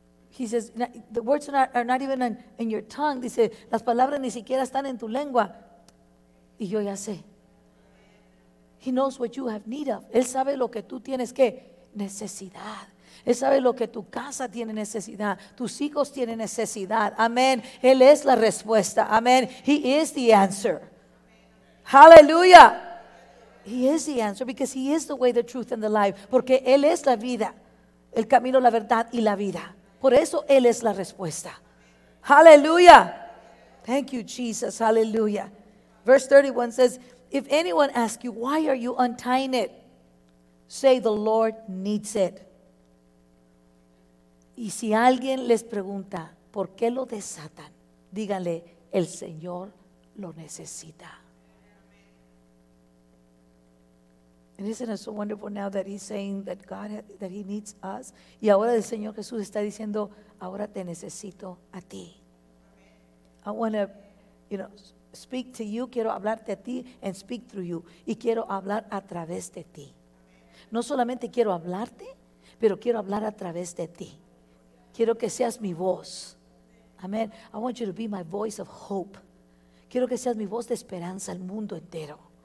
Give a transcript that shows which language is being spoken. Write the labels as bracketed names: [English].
[English] He says, the words are not even in your tongue. [Spanish] Dice, las palabras ni siquiera están en tu lengua. Y yo ya sé. [English] He knows what you have need of. [Spanish] Él sabe lo que tú tienes que necesidad. Él sabe lo que tu casa tiene necesidad. Tus hijos tienen necesidad. Amén. Él es la respuesta. Amén. [English] He is the answer. Hallelujah. He is the answer because he is the way, the truth, and the life. [Spanish] Porque Él es la vida. El camino, la verdad y la vida. Por eso Él es la respuesta. Hallelujah. [English] Thank you, Jesus. [Spanish] Hallelujah. [English] Verse 31 says, if anyone asks you, why are you untying it? Say, the Lord needs it. [Spanish] Y si alguien les pregunta, ¿por qué lo desatan? Díganle, el Señor lo necesita. [English] And isn't it so wonderful now that he's saying that God, that he needs us? [Spanish] Y ahora el Señor Jesús está diciendo, ahora te necesito a ti. [English] I want to, you know, speak to you, [Spanish] quiero hablarte a ti, [English] and speak through you. [Spanish] Y quiero hablar a través de ti. No solamente quiero hablarte, pero quiero hablar a través de ti. Quiero que seas mi voz. Amen. [English] I want you to be my voice of hope. [Spanish] Quiero que seas mi voz de esperanza al mundo entero.